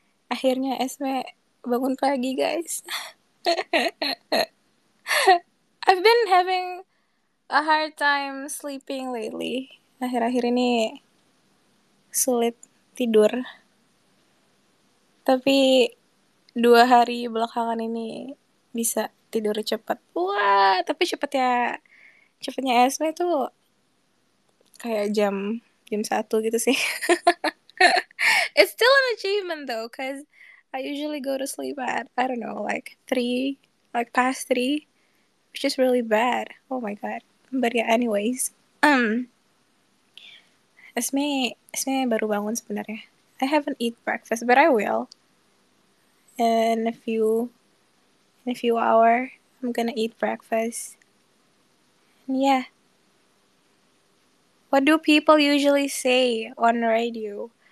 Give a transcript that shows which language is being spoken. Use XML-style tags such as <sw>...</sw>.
<id>Akhirnya Esme bangun pagi, guys.</id> <en>I've been having a hard time sleeping lately.</en> <id>Akhir-akhir ini sulit tidur. Tapi 2 hari belakangan ini bisa tidur cepat. Wah, tapi cepatnya Esme itu kayak jam 1 gitu sih.</id> <en>It's still an achievement though, cause I usually go to sleep at, I don't know, like past 3, which is really bad. Oh my god. But yeah, anyways.</en> <id>Esme baru bangun sebenarnya.</id> <en>I haven't eat breakfast, but I will. In a few hour, I'm gonna eat breakfast. Yeah. What do people usually say on radio?</en>